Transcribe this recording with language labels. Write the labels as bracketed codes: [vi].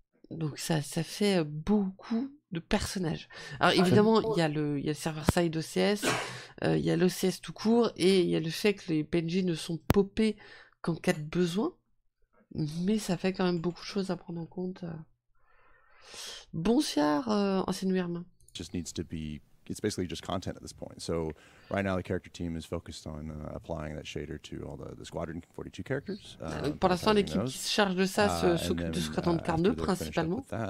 [fr] Donc ça fait beaucoup de personnages. Alors évidemment, il y a le server side OCS, il y a l'OCS tout court, et il y a le fait que les PNJ ne sont popés qu'en cas de besoin, mais ça fait quand même beaucoup de choses à prendre en compte. Bonsoir, ancienne Wyrm. [en] Just needs to be... It's basically just content at this point. So right now the character team is focused on applying that shader to all the Squadron 42 characters. [fr] Pour l'instant, l'équipe qui se charge de ça s'occupe de Squadron 42 principalement.